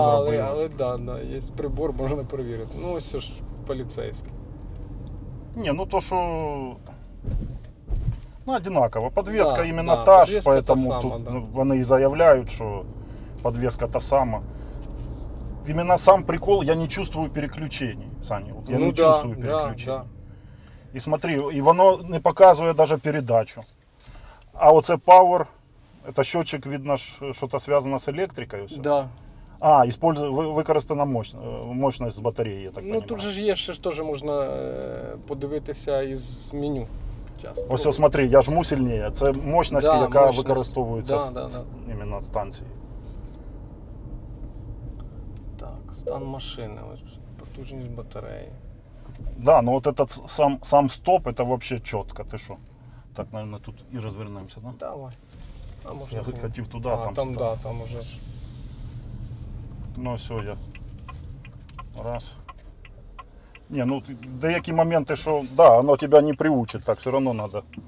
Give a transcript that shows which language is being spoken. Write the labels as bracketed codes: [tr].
[uk] зробити. Але да, є прибор, можна перевірити. Ну, ось це ж поліцейський. Ні, ну то, що... Ну, однаково. Подвеска іменно та ж, поэтому сама, тут, да, вони і заявляють, що подвеска та сама. [ru] Именно сам прикол, я не чувствую переключений, Саня, вот я ну не да, чувствую переключений. Да, да. И смотри, и оно не показывает даже передачу. А вот это Power, это счетчик, видно, что-то связано с электрикой. Все. Да. А, використана мощность с батареи, я так ну, понимаю. Ну тут же есть, что же можно подивитися из меню. Ось, все, смотри, я жму сильнее, это мощность, [uk] яка використовується [ru] именно станцией. [uk] Стан машины, потужність батареї. [ru] Да, ну вот этот сам стоп, это вообще четко, ты что? Так, наверное, тут и развернемся, да? Давай. А может, я хотів туда, а, там да, там уже. Ну все, я раз. [uk] Не, ну деякі моменти, що, [ru] да, оно тебя не приучить, так, все равно надо.